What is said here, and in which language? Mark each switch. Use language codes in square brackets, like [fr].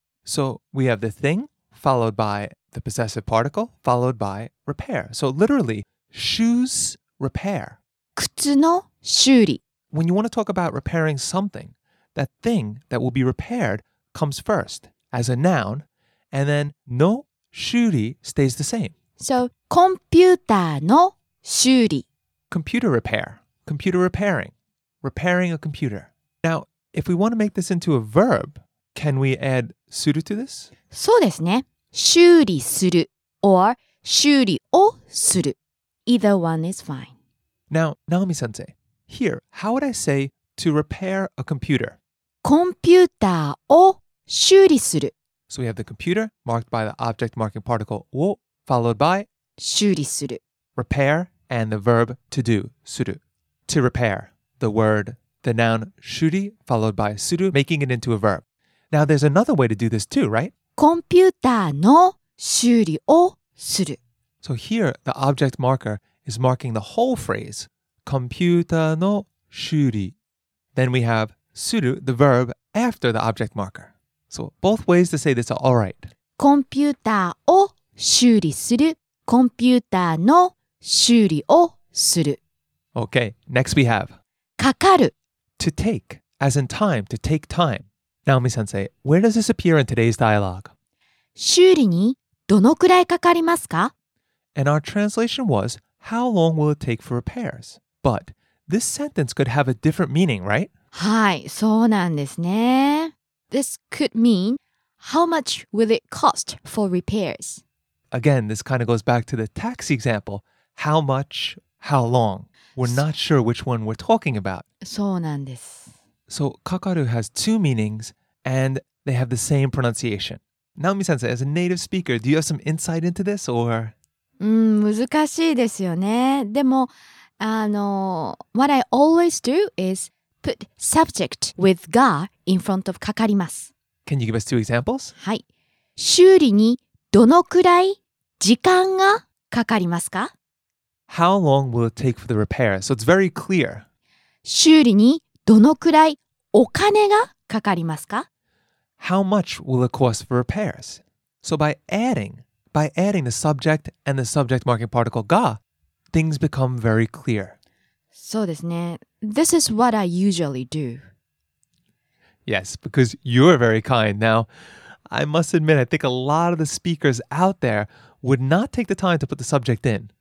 [en] So, we have the thing followed by the possessive particle followed by repair. So, literally, shoes repair. [ja] 靴の修理. [en] When you want to talk about repairing something, that thing that will be repaired comes first as a noun, and then の修理 stays the same. [ja] So, コンピューターの修理. [en] Computer repair. Computer repairing. Repairing a computer. Now, if we want to make this into a verb, can we add suru to this? [ja] そうですね。修理する or 修理をする。 [en] Either one is fine. Now, Naomi-sensei, here, how would I say to repair a computer? [ja] コンピューターを修理する。 [en] So we have the computer marked by the object marking particle を followed by [ja] 修理する。 [en] Repair and the verb to do, suru. To repair. The word, the noun, 修理 followed by suru, making it into a verb. Now, there's another way to do this too, right? [ja] コンピューターの修理をする。 [en] So here, the object marker is marking the whole phrase, コンピューターの修理. Then we have suru, the verb, after the object marker. So both ways to say this are all right. [ja] コンピューターを修理する。コンピューターの修理をする。 [en] Okay, next we have. [ja] かかる [en] To take, as in time, to take time. Naomi-sensei, where does this appear in today's dialogue? [ja] 修理にどのくらいかかりますか? [en] And our translation was, how long will it take for repairs? But this sentence could have a different meaning, right? [ja] はい、そうなんですね。 [en] This could mean, how much will it cost for repairs? Again, this kind of goes back to the taxi example. How much, how long? We're not sure which one we're talking about. [ja] そうなんです。 [en] So, kakaru has two meanings, and they have the same pronunciation. Naomi-sensei, as a native speaker, do you have some insight into this, or...? [ja] 難しいですよね。 [en] でも、what I always do is put subject with が in front of かかります。 Can you give us two examples? [ja] はい。修理にどのくらい時間がかかりますか? [en] How long will it take for the repair? So it's very clear. [ja] 修理にどのくらいお金がかかりますか? [en] How much will it cost for repairs? So by adding the subject and the subject marking particle が, things become very clear. [ja] そうですね。 [en] This is what I usually do. Yes, because you are very kind. Now, I must admit, I think a lot of the speakers out there would not take the time to put the subject in.